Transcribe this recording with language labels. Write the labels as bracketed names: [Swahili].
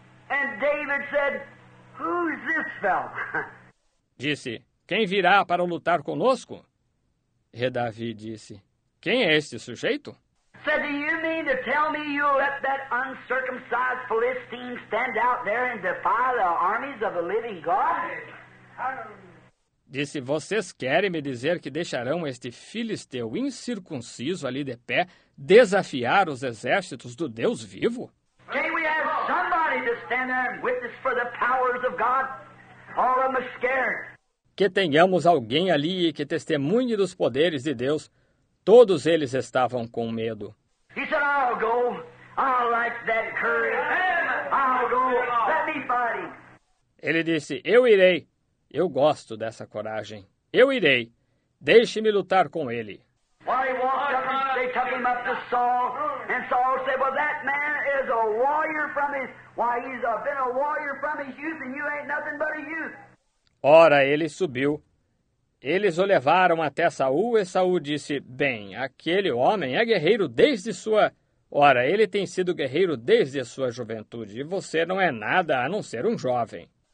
[English] And David said, who's this fellow? [Portuguese] disse, quem virá para lutar conosco? E Davi disse, quem é este sujeito? [English] Said, do you mean to tell me you'll let that uncircumcised Philistine stand out there and defy the armies of the living God? [Portuguese] Disse, vocês querem me dizer que deixarão este filisteu incircunciso ali de pé desafiar os exércitos do Deus vivo? [English] Can we have somebody to stand there and witness for the powers of God? All of them are scared. [Portuguese] Que tenhamos alguém ali que testemunhe dos poderes de Deus. Todos eles estavam com medo. [English] He said, I'll go. I like that courage. I'll go. Let me fight. [Portuguese] Ele disse, eu irei. Eu gosto dessa coragem. Eu irei. Deixe-me lutar com ele. [English] While he walked up, they took him up to Saul. And Saul said, well, that man is a warrior from his... Why, he's been a warrior from his youth, and you ain't nothing but a youth. [Portuguese] Ora, ele subiu. Eles o levaram até Saul, e Saul disse, bem, aquele homem é guerreiro desde sua... Ora, ele tem sido guerreiro desde a sua juventude, e você não é nada a não ser um jovem.